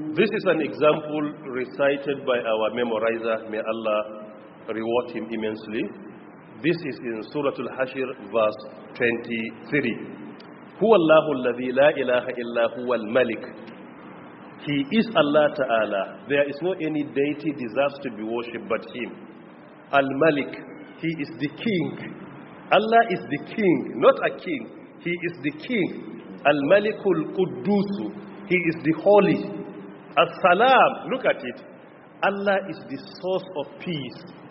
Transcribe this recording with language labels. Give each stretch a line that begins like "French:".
English: This is an example recited by our memorizer. May Allah reward him immensely. This is in Surah Al-Hashr, verse 23.
Arabic: هو الله الذي لا إله إلا هو الملك.
English: He is Allah Ta'ala. There is no any deity deserves to be worshipped but him. Al-Malik, he is the king. Allah is the king, not a king. He is the king. Al-Malikul Quddusu, he is the holy. As-Salam, look at it. Allah is the source of peace.